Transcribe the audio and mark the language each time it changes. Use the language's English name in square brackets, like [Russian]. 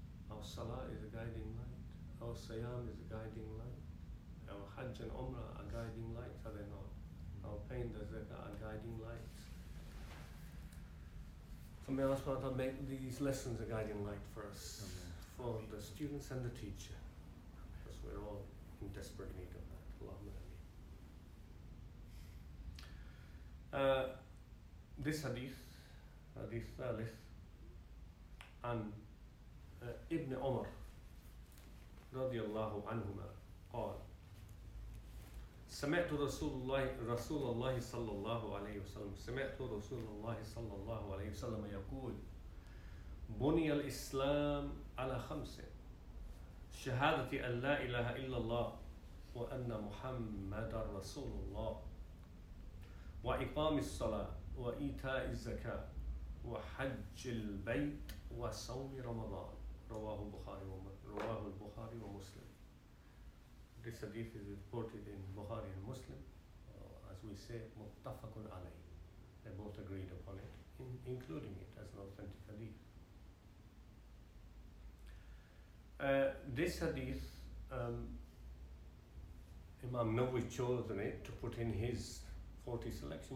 [English] Our Salah is a guiding light, our Sayyam is a guiding light, our Hajj and Umrah are guiding lights, are they not? Mm-hmm. Our pain and Zakah are guiding lights. So may Allah subhanahu wa ta'ala make these lessons a guiding light for us, Amen. For the students and the teacher, because we're all in desperate need of that. Allahumma ameen. This hadith thalith, and Ibn Umar radiallahu anhuma [Arabic] قال سمعت رسول الله صلى الله عليه وسلم سمعت رسول الله صلى الله عليه وسلم يقول بني الإسلام على خمسة شهادة أن لا إله إلا الله وأن محمد رسول الله وإقام الصلاة وإيتاء الزكاة وحج البيت وصوم رمضان رواه البخاري ومسلم. [English] This hadith is reported in Bukhari and Muslim, as we say, muttafaqun alayhi. They both agreed upon it, including it as an authentic hadith. This hadith, Imam Nawawi chosen it to put in his 40 selection.